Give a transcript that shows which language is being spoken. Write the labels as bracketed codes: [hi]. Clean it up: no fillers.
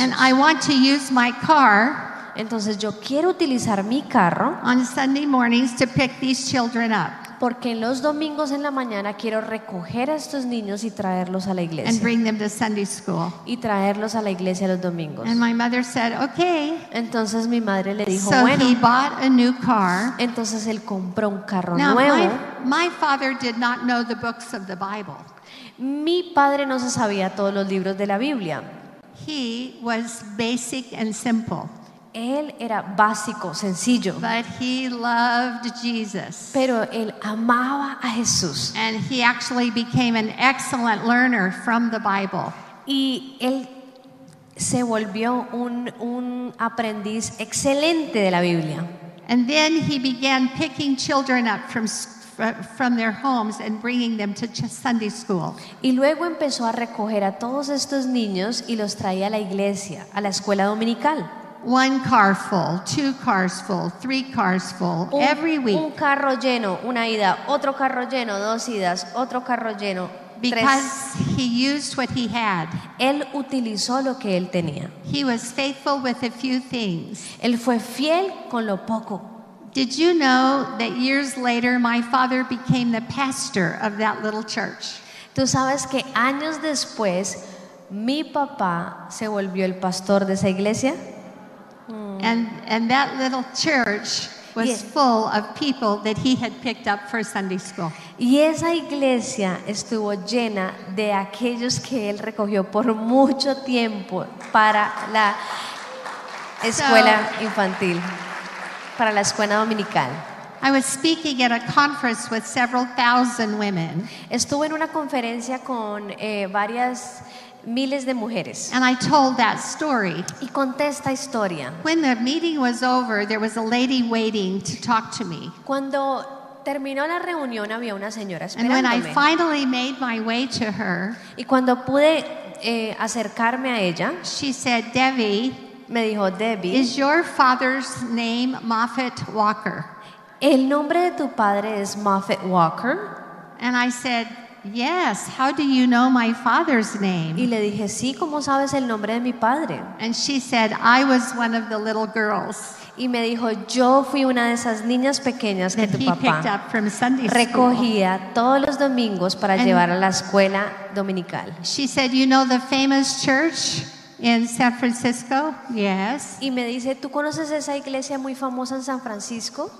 [en] And I want to use my car. [es] Entonces yo quiero utilizar mi carro [en] on Sunday mornings to pick these children up. [es] porque los domingos en la mañana quiero recoger a estos niños y traerlos a la iglesia. [en] And bring them to Sunday school. [es] Y traerlos a la iglesia los domingos. [en] And my mother said, okay. [es] Entonces mi madre le dijo, [en] so [es] bueno. [en] He bought a new car. [es] Entonces él compró un carro [en] Now, [es] nuevo. [en] My father did not know the books of the Bible. [es] Mi padre no se sabía todos los libros de la Biblia. [en] He was basic and simple. [es] Él era básico, sencillo. [en] But he loved Jesus. [es] Pero él amaba a Jesús. [en] And he actually became an excellent learner from the Bible. [es] Y él se volvió un aprendiz excelente de la Biblia. [en] And then he began picking children up from their homes and bringing them to Sunday school. [es] Y luego empezó a recoger a todos estos niños y los traía a la iglesia, a la escuela dominical. [en] One car full, two cars full, three cars full, every week. [es] Un carro lleno, una ida, otro carro lleno, dos idas, otro carro lleno, tres. [en] Because he used what he had. [es] Él utilizó lo que él tenía. [en] He was faithful with a few things. [es] Él fue fiel con lo poco. [en] Did you know that years later my father became the pastor of that little church? [es] ¿Tú sabes que años después mi papá se volvió el pastor de esa iglesia? [en] And that little church was full of people that he had picked up for Sunday school. [es] Y esa iglesia estuvo llena de aquellos que él recogió por mucho tiempo para la escuela infantil, para la escuela dominical. [en] I was speaking at a conference with several thousand women. [es] Estuve en una conferencia con varias miles de mujeres. [en] And I told that story. [es] Y conté esta historia. [en] When the meeting was over, there was a lady waiting to talk to me. [es] Cuando terminó la reunión, había una señora esperándome. [en] And when I finally made my way to her, [es] y cuando pude acercarme a ella, [en] she said, "Debbie," [es] me dijo, "Debbie, [en] is your father's name Moffett Walker?" [es] ¿El nombre de tu padre es Moffett Walker? [en] And I said, "Yes, how do you know my father's name?" [es] Y le dije, "Sí, ¿cómo sabes el nombre de mi padre?" [en] And she said, "I was one of the little girls." [es] Y me dijo, "Yo fui una de esas niñas pequeñas que tu [en] papá picked up from Sunday school. [es] Recogía todos los domingos para [en] And [es] llevar a la escuela dominical." [en] She said, "You know the famous church in San Francisco?" "Yes." [es] Y me dice, "¿Tú conoces esa iglesia muy famosa en San Francisco?"